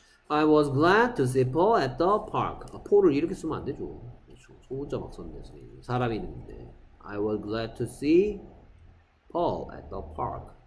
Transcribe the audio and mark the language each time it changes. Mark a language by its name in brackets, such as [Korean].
[English] I was glad to see Paul at the park. [Korean] 아, 폴을 이렇게 쓰면 안 되죠. 소문자 막 썼는데, 사람이 있는데. [English] I was glad to see Paul at the park.